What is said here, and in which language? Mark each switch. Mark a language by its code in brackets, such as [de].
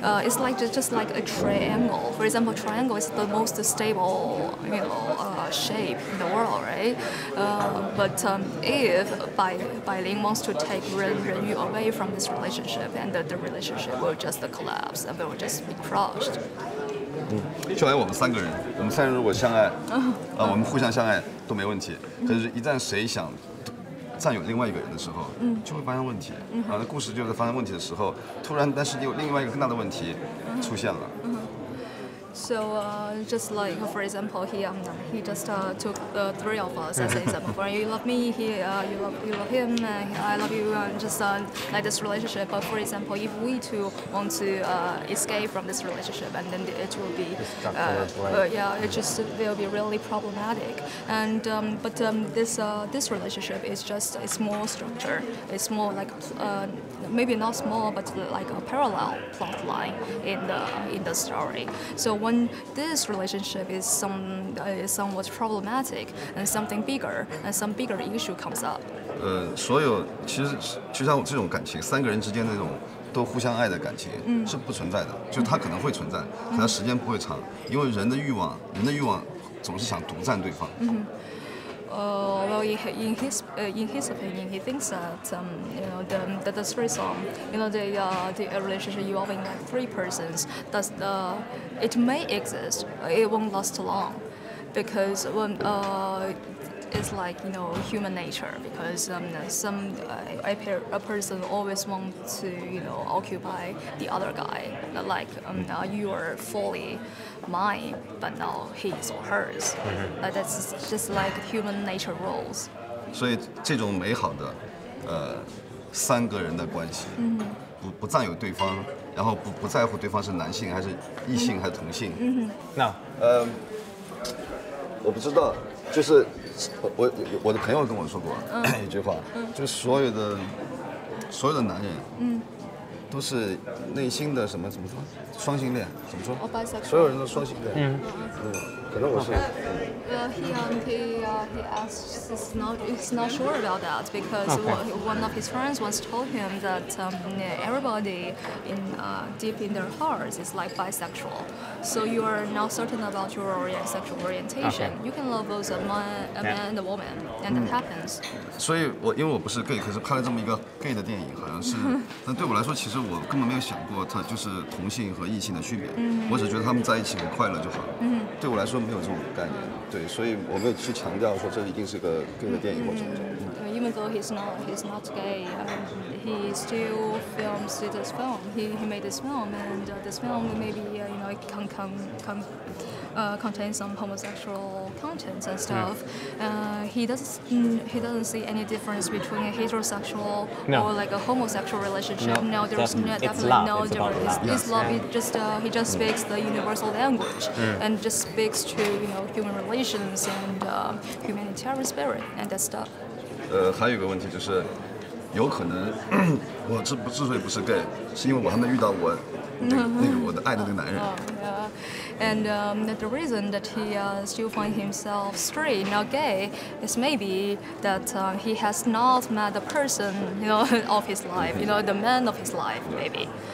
[en] It's like just like a triangle. For example, triangle is the most stable, you know, shape in the world, right? But if Bai Ling wants to take Ren Yu away from this relationship, and the relationship will just collapse and it will just be crushed. [zh] 就来我们三个人如果相爱，我们互相相爱都没问题。可是，一旦谁想占有另外一个人的时候，就会发生问题。啊，那故事就在发生问题的时候，突然，但是又另外一个更大的问题出现了。 [en] So just like for example, he just took the three of us as an example. For you love me, you love him, and I love you, and like this relationship. But for example, if we two want to escape from this relationship, and then it will be, it will be really problematic. And this relationship is just a small structure. It's more like maybe not small, but like a parallel plot line in the story. So when this relationship is somewhat problematic, and something bigger, and some bigger issue comes up. [zh] 所有其实就像这种感情，三个人之间那种都互相爱的感情，是不存在的。就它可能会存在，可能时间不会长，因为人的欲望总是想独占对方。 [en] In his opinion, he thinks that the threesome, you know, the relationship involving like three persons, does it may exist, it won't last long, because when it's like, you know, human nature, because a person always wants to, you know, occupy the other guy, like you are fully mine, but now his or hers. But that's just like human nature rules. [zh] 所以这种美好的三个人的关系，不占有对方，然后不在乎对方是男性还是异性还是同性。那我不知道，就是我的朋友跟我说过一句话，就是所有的男人，都是内心的什么怎么说？双性恋怎么说？所有人都双性恋。可能我是。 [en] He asks, he's not sure about that because one of his friends once told him that everybody in deep in their hearts is like bisexual. So you are not certain about your sexual orientation. You can love both a man and a woman, and that happens. [zh] 所以我因为我不是 gay， 可是拍了这么一个 gay 的电影，好像是。但对我来说，其实我根本没有想过他就是同性和异性的区别。我只觉得他们在一起很快乐就好。对我来说没有这种概念。对，所以我没有去强调说这一定是个 gay 的电影或者什么。 [en] Even though he's not gay, he still films this film. He made this film, and this film maybe you know it contains some homosexual content and stuff. He doesn't see any difference between a heterosexual or like a homosexual relationship. No, there's definitely no difference. It's love. He just speaks the universal language and just speaks to you know human relations and humanitarian spirit and that stuff. [zh] 还有一个问题就是，有可能我之不之所以不是 gay， 是因为我还没遇到我那个我的爱的那个男人。 [en] And the reason that he still find himself straight, not gay, is maybe that he has not met the person, you know, of his life, you know, the man of his life, maybe.